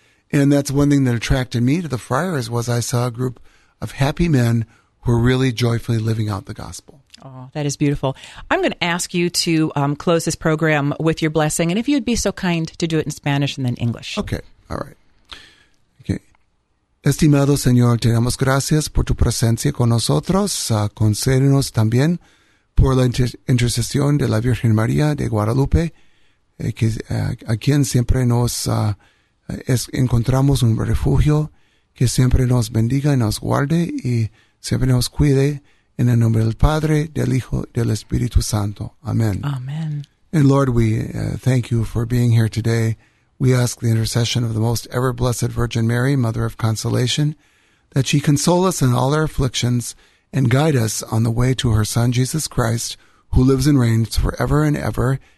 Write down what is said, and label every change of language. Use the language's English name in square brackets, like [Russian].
[English] And that's one thing that attracted me to the friars was I saw a group of happy men who are really joyfully living out the gospel. Oh, that is beautiful. I'm going to ask you to close this program with your blessing, and if you'd be so kind to do it in Spanish and then English. Okay. All right. Okay. [Spanish] Estimado Señor, te damos gracias por tu presencia con nosotros. Concédenos también por la intercesión de la Virgen María de Guadalupe, a quien siempre nos encontramos un refugio, que siempre nos bendiga y nos guarde y siempre nos cuide. [English] In the name of the Father, [Spanish] del Hijo, del Espíritu Santo. [English] Amen. Amen. And Lord, we thank you for being here today. We ask the intercession of the most ever-blessed Virgin Mary, Mother of Consolation, that she console us in all our afflictions and guide us on the way to her Son, Jesus Christ, who lives and reigns forever and ever.